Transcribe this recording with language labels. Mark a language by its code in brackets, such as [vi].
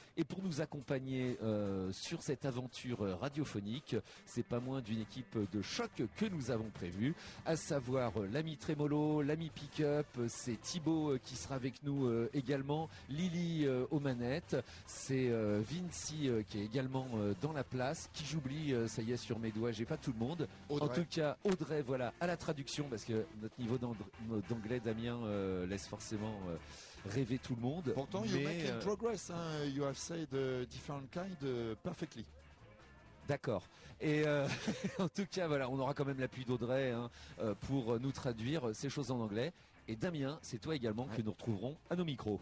[fr] Et pour nous accompagner sur cette aventure radiophonique, c'est pas moins d'une équipe de choc que nous avons prévue, à savoir l'ami Trémolo, l'ami Pickup, c'est Thibaut qui sera avec nous également, Lily aux manettes, c'est Vinci qui est également dans la place, qui j'oublie, ça y est sur mes doigts, j'ai pas tout le monde. Audrey. En tout cas, Audrey, voilà, à la traduction, parce que notre niveau d'anglais, Damien, laisse forcément rêver tout le monde. Pourtant, [en] you're making progress, hein. You have said different kind perfectly. [fr] D'accord. Et en tout cas, voilà, on aura quand même l'appui d'Audrey hein, pour nous traduire ces choses en anglais. Et Damien, c'est toi également ouais. Que nous retrouverons à nos micros.